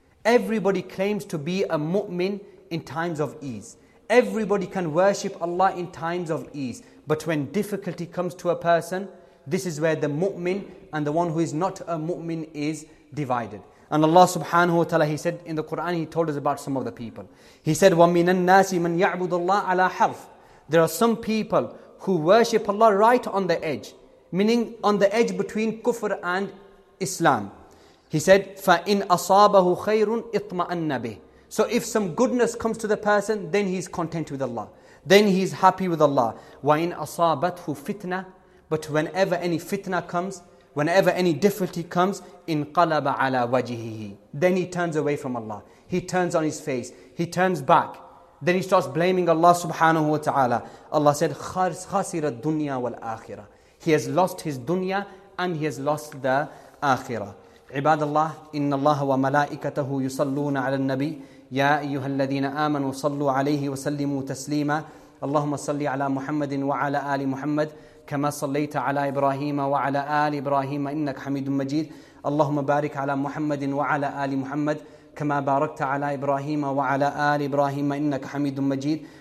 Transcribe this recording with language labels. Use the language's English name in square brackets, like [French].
[English] Everybody claims to be a mu'min in times of ease. Everybody can worship Allah in times of ease. But when difficulty comes to a person, this is where the mu'min and the one who is not a mu'min is divided. And Allah subhanahu wa ta'ala, He said in the Quran, He told us about some of the people. He said, [Arabic] وَمِنَ النَّاسِ مَنْ يَعْبُدُ اللَّهَ عَلَىٰ حَرْفٍ. [English] There are some people who worship Allah right on the edge, meaning on the edge between kufr and Islam. He said, [Arabic] فَإِنْ أَصَابَهُ خَيْرٌ اطْمَأَنَّ بِهِ. [English] So if some goodness comes to the person, then he's content with Allah. Then he's happy with Allah. [Arabic] وَإِنْ أَصَابَتْهُ [English] fitna, but whenever any fitna comes, whenever any difficulty comes, in [Arabic] قَلَبَ عَلَىٰ وَجِهِهِ, [English] then he turns away from Allah. He turns on his face. He turns back. Then he starts blaming Allah subhanahu wa ta'ala. Allah said, [Arabic] خَسِرَ الدُّنْيَا وَالْآخِرَةِ. [English] He has lost his dunya and he has lost the akhirah. [Arabic] عباد الله, إن الله وملائكته يصلون على النبي يا أيها الذين آمنوا صلوا عليه وسلموا تسليما. اللهم صل على محمد وعلى آل محمد كما صليت على إبراهيم وعلى آل إبراهيم إنك حميد مجيد. اللهم بارك على محمد وعلى آل محمد كما باركت على إبراهيم وعلى آل إبراهيم إنك حميد مجيد.